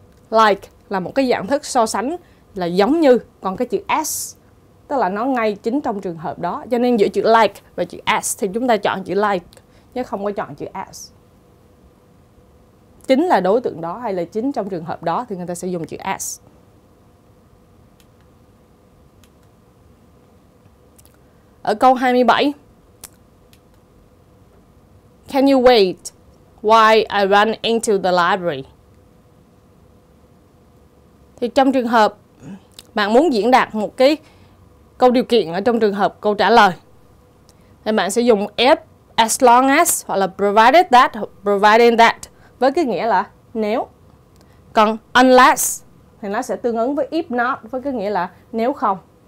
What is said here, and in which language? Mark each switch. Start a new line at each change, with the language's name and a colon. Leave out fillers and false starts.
Vietnamese: Like là một cái dạng thức so sánh là giống như. Còn cái chữ S tức là nó ngay chính trong trường hợp đó. Cho nên giữa chữ like và chữ S thì chúng ta chọn chữ like chứ không có chọn chữ S. Chính là đối tượng đó hay là chính trong trường hợp đó thì người ta sẽ dùng chữ S. Ở câu 27,
English: can you wait while I run into the library?
Vietnamese: Thì trong trường hợp bạn muốn diễn đạt một cái câu điều kiện ở trong trường hợp câu trả lời thì bạn sẽ dùng if, as long as hoặc là provided that, providing that với cái nghĩa là nếu. Còn unless thì nó sẽ tương ứng với if not với cái nghĩa là nếu không.